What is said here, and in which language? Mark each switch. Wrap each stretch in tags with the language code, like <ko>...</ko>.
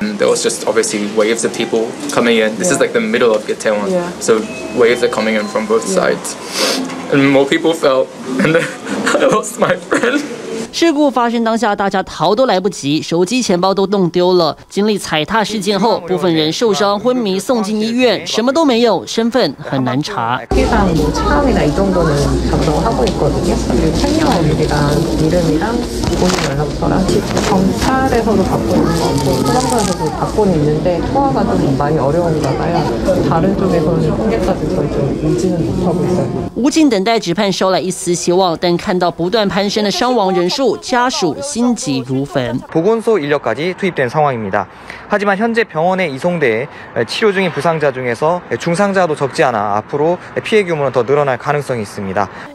<en>There was just obviously waves of people coming in. This is like the middle of Itaewon, so waves are coming in from both sides, and more people fell, and then I lost my friend.</en> <zh>事故发生当下，大家逃都来不及，手机、钱包都弄丢了。经历踩踏事件后，部分人受伤昏迷，送进医院，什么都没有，身份很难查。无尽等待只盼收来一丝希望，但看到不断攀升的伤亡人数。家属 心急如焚.</zh> <ko>보건소인력까지 투입된 상황입니다. 하지만 현재 병원에 이송돼 치료 중인 부상자 중에서 중상자도 적지 않아 앞으로 피해 규모는 더 늘어날 가능성이 있습니다.</ko>